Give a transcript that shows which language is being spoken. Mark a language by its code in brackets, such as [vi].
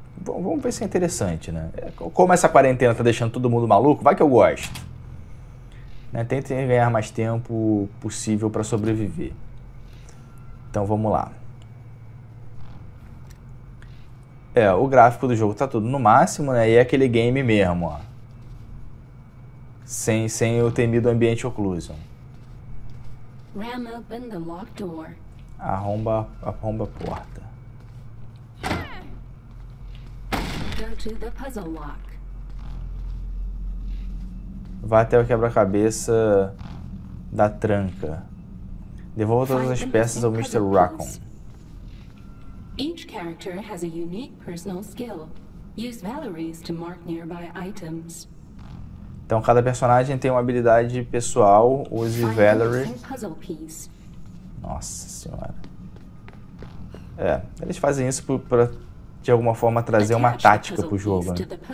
[pt] Vamos ver se é interessante, né? Como essa quarentena tá deixando todo mundo maluco, vai que eu gosto. Né? Tentem ganhar mais tempo possível para sobreviver. Então, vamos lá. É, o gráfico do jogo tá tudo no máximo, né? E é aquele game mesmo, ó. Sem o temido ambiente occlusion. [en] Ram open the locked door. [pt] Arromba a porta. [en] Go to the puzzle lock. [pt] Vá até o quebra-cabeça da tranca. Devolva todas as peças ao Mr. Raccoon. [en] Each character has a unique personal skill. Use Valerie's to mark nearby items. [pt] Então cada personagem tem uma habilidade pessoal. Use Valerie. Nossa senhora. É, eles fazem isso para de alguma forma trazer uma tática pro jogo. Né?